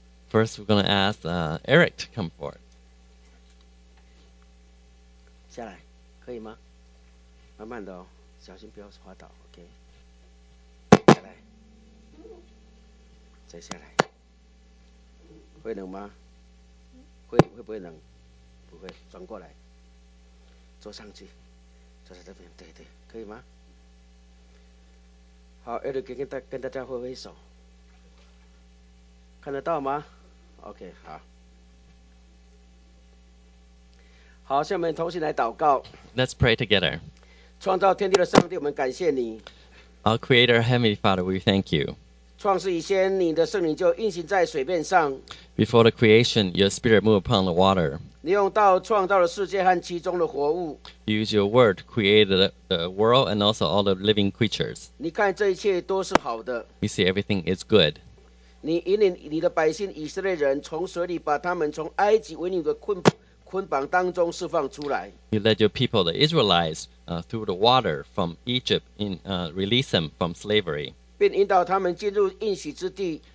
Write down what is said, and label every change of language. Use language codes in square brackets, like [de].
[en] First, we're going to ask Eric to come forward. [zh] 下来，可以吗？慢慢的哦，小心不要滑倒。OK，下来，再下来，会冷吗？会不会冷？不会，转过来，坐上去，坐在这边，对对，可以吗？好，Eric跟大家挥挥手，看得到吗 ？OK， 好，好，下面同时来祷告。 Let's [en] pray together. [zh] 创造天地的上帝，我们感谢你。 Our [en] Creator, Heavenly Father, we thank you. [zh] 创世以先，你的圣灵就运行在水面上。 Before [en] the creation, your Spirit moved upon the water. [zh] 你用道创造了世界和其中的活物。 [en] Use your word, create the world and also all the living creatures. [zh] 你看这一切都是好的。 [en] You see everything is good. [zh] 你引领你的百姓以色列人从水里把他们从埃及为你的捆绑当中释放出来。 [en] You let your people, the Israelites, through the water from Egypt, release them from slavery. [zh] 并引导他们进入应许之地。